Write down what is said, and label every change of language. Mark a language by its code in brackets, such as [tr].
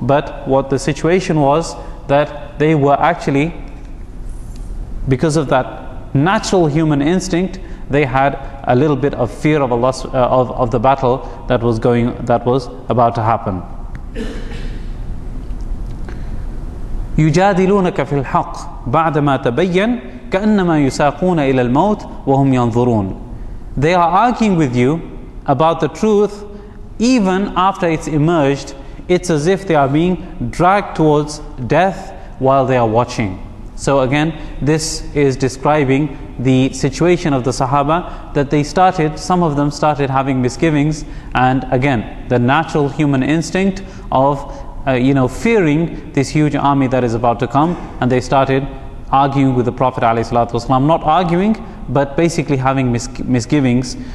[en] But what the situation was, that they were actually, because of that natural human instinct, they had a little bit of fear of Allah, of the battle that was about to happen. [ar] يجادلونك في الحق بعدما تبين كأنما يساقون إلى الموت وهم ينظرون. [en] They are arguing with you about the truth even after it's emerged. It's as if they are being dragged towards death while they are watching. So again, this is describing the situation of the Sahaba, that they started, some of them started having misgivings, and again, the natural human instinct of fearing this huge army that is about to come, and they started arguing with the Prophet ﷺ, not arguing, but basically having misgivings.